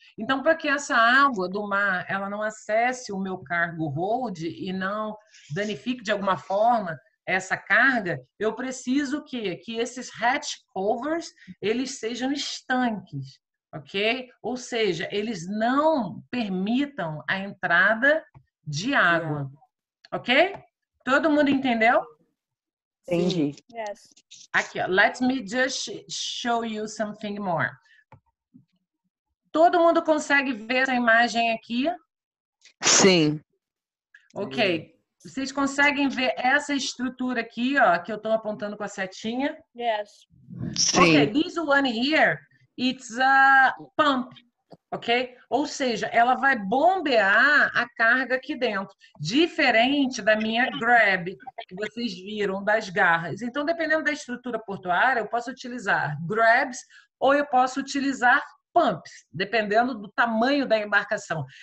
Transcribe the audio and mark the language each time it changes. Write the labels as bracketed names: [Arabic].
[Portuguese] Então, para que essa água do mar ela não acesse o meu cargo hold e não danifique de alguma forma essa carga, eu preciso que esses hatch covers eles sejam estanques, ok? Ou seja, eles não permitam a entrada de água, ok? Todo mundo entendeu? Entendi. [English] Yes. Aqui, let me just show you something more. [Portuguese] Todo mundo consegue ver essa imagem aqui? Sim. Ok. Vocês conseguem ver essa estrutura aqui, ó, que eu tô apontando com a setinha? [English] Yes. [Portuguese] Sim. [English] Okay, this one here, it's a pump, ok? [Portuguese] Ou seja, ela vai bombear a carga aqui dentro. Diferente da minha grab, que vocês viram, das garras. Então, dependendo da estrutura portuária, eu posso utilizar grabs ou eu posso utilizar pumps, dependendo do tamanho da embarcação.